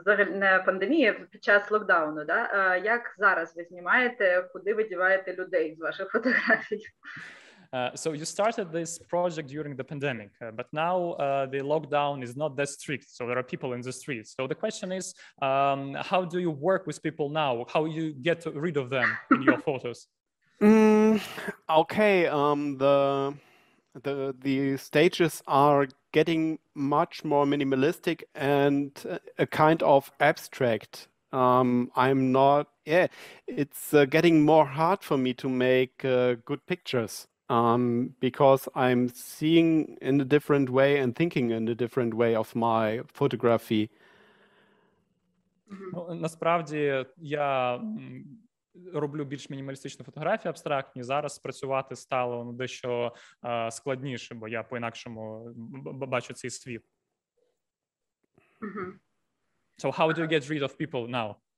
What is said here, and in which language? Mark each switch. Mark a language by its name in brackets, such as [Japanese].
[Ukrainian] Не пандемії, під час локдауну, да? Як зараз ви знімаєте, куди ви діваєте людей з ваших фотографій? [English] So you started this project during the pandemic, but now the lockdown is not that strict, so there are people in the streets. So the question is, how do you work with people now? How you get rid of them in your photos? Okay, the stages are getting much more minimalistic and a kind of abstract. It's getting more hard for me to make good pictures because I'm seeing in a different way and thinking in a different way of my photography. [Ukrainian] Насправді я роблю більш мінімалістичні фотографії, абстрактні. Зараз працювати стало дещо складніше, бо я по-інакшому бачу цей світ. Mm-hmm. [English] So how do you get rid of people now?